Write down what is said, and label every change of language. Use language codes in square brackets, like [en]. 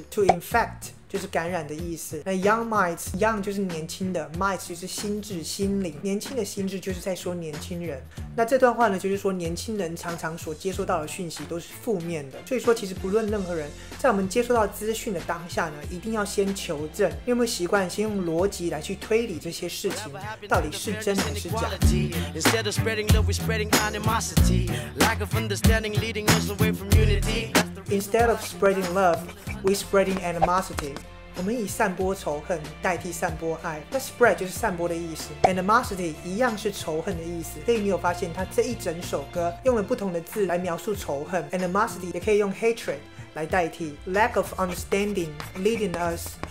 [zh] To infect 就是感染的意思。那 young mites， young 就是年轻的， mites 就是心智心灵，年轻的心智就是在说年轻人。那这段话呢，就是说年轻人常常所接收到的讯息都是负面的，所以说其实不论任何人，在我们接收到资讯的当下呢，一定要先求证。你有没有习惯先用逻辑来去推理这些事情到底是真还是假？ [en] Instead of spreading love, we're spreading animosity. Lack of understanding leading us away from unity. Instead of spreading love, we're spreading animosity. [zh] 我们以散播仇恨代替散播爱。那 spread 就是散播的意思， animosity 一样是仇恨的意思。所以你有发现它这一整首歌用了不同的字来描述仇恨， animosity 也可以用 hatred 来代替。 [en] Lack of understanding leading us